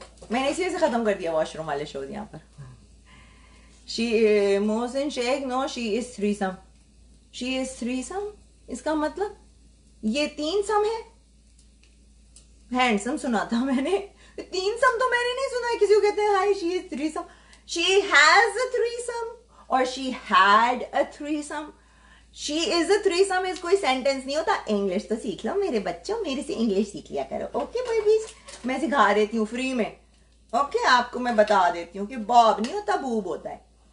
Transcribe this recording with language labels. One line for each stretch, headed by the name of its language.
Hindi: मैंने इसी से खत्म कर दिया वॉशरूम वाले शो यहाँ पर।
English: She Mohsin Sheikh, no, she is threesome. She is threesome.
Hindi: इसका मतलब ये तीन सम है? Handsome सुना था मैंने, तीन सम तो मैंने नहीं सुना है। किसी को कहते हैं हाय
English: she is threesome, she has a threesome or she had a threesome. She is a threesome is
Hindi: कोई सेंटेंस नहीं होता। इंग्लिश तो सीख लो मेरे बच्चों, मेरे से इंग्लिश सीख लिया करो।
English: okay babies,
Hindi: मैं सिखा देती हूँ फ्री में। ओके आपको मैं बता देती हूँ कि बॉब नहीं होता, बूब होता है।